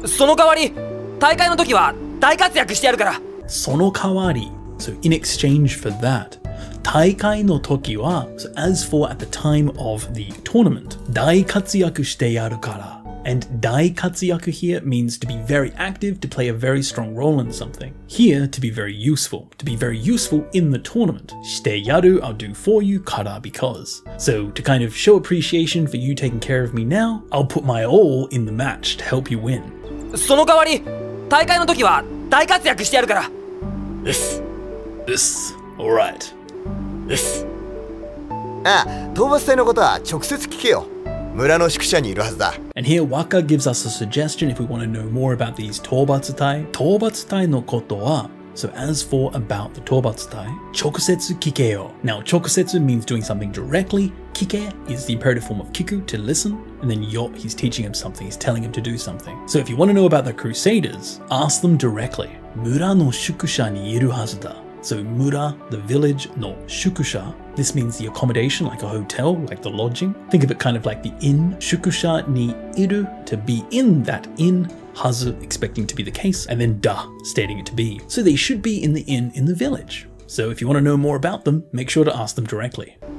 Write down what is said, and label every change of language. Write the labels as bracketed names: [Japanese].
[Japanese] その代わり、大会の時は大活躍してやるから. その代わり, [English] so in exchange for that. [Japanese] 大会の時は, [English] so as for at the time of the tournament. [Japanese] 大活躍してやるから. [English] And 大活躍 here means to be very active, to play a very strong role in something. Here, to be very useful. To be very useful in the tournament. [Japanese] してやる, [English] I'll do for you, から, because. So, to kind of show appreciation for you taking care of me now, I'll put my all in the match to help you win. [Japanese] その代わり、大会の時は大活躍してやるから! [English] This. This. Alright. This. [Japanese] ああ, 討伐隊のことは直接聞けよ。村の宿舎にいるはずだ。 [English] And here Wakka gives us a suggestion if we want to know more about these 討伐隊. [Japanese] 討伐隊のことは, [English] so as for about the 討伐隊, [Japanese] 直接聞けよ. [English] Now 直接 means doing something directly. 聞け is the imperative form of 聞く, to listen. And then よ, he's teaching him something, he's telling him to do something. So if you want to know about the Crusaders, ask them directly. [Japanese] 村の宿舎にいるはずだ。 [English] So mura, the village, [Japanese] no shukusha. [English] This means the accommodation, like a hotel, like the lodging. Think of it kind of like the inn. [Japanese] Shukusha ni iru, [English] to be in that inn. Hazu, expecting to be the case. And then da, stating it to be. So they should be in the inn in the village. So if you want to know more about them, make sure to ask them directly.